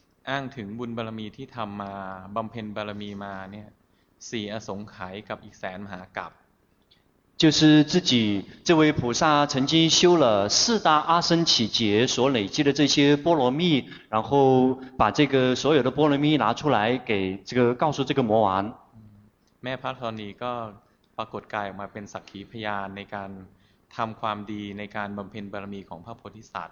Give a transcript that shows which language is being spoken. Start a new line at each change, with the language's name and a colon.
Thai: อ้างถึงบุญบารมีที่ทำมาบำเพ็ญบารมีมาเนี่ยสี่อสงไขยกับอีกแสนมหากัป
Chinese: 就是自己这位菩萨曾经修了四大阿僧祇劫所累积的这些波罗蜜然后把这个所有的波罗蜜拿出来给这个告诉这个魔王
Thai: แม่พระธรณีก็ปรากฏกายออกมาเป็นสักขีพยานในการทำความดีในการบำเพ็ญบารมีของพระโพธิสัตว